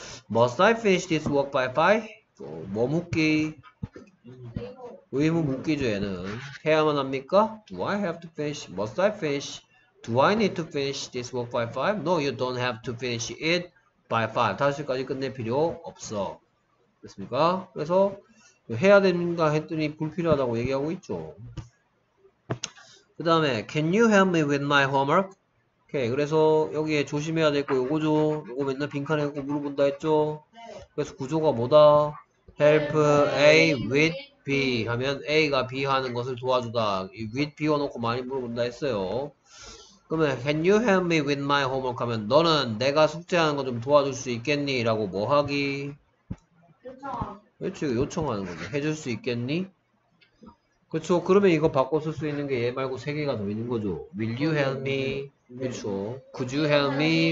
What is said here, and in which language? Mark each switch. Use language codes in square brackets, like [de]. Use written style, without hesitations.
[en] Must I finish this work by 5? [ko] 뭐 묻기? 의무 묻기죠, 얘는. 해야만 합니까? [en] Do I have to finish? Must I finish? Do I need to finish this work by 5? No, you don't have to finish it by 5. [ko] 5시까지 끝낼 필요 없어. 됐습니까? 그래서 해야 되는가 했더니 불필요하다고 얘기하고 있죠. 그 다음에 [en] Can you help me with my homework? 오케이. [ko] 그래서 여기에 조심해야 될 거 요거죠. 요거 맨날 빈칸에 꼭 물어본다 했죠. 그래서 구조가 뭐다? Help A with B 하면 A가 B 하는 것을 도와주다. With B 넣고 많이 물어본다 했어요. 그러면 [en] Can you help me with my homework? [ko] 하면 너는 내가 숙제하는 거 좀 도와줄 수 있겠니? 라고 뭐 하기? 그렇죠. 요청하는 거죠. 해줄 수 있겠니? 그렇죠. 그러면 이거 바꿔 쓸 수 있는 게 얘 말고 세 개가 더 있는 거죠. [en] Will you help me? [ko] 그렇죠. [en] Could you help me?